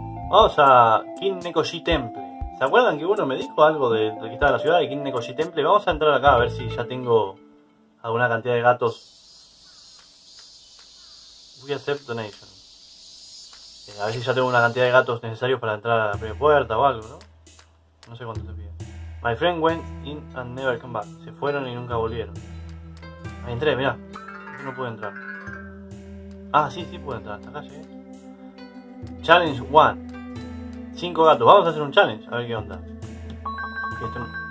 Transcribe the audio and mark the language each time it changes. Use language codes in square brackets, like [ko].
[es] Vamos a Kin Nekoshi Temple. ¿Se acuerdan que uno me dijo algo de que estaba la ciudad de Kin Nekoshi Temple? Vamos a entrar acá a ver si ya tengo alguna cantidad de gatos. [en] We accept donation. [es] A ver si ya tengo una cantidad de gatos necesarios para entrar a la primera puerta o algo, ¿no? No sé cuánto te piden. [en] My friend went in and never came back. [es] Se fueron y nunca volvieron. Ahí entré, mirá. Yo no pude entrar. Ah, sí, sí pude entrar. Hasta acá llegué. Challenge 1. 5 gatos, vamos a hacer un challenge, a ver qué onda. Esto no...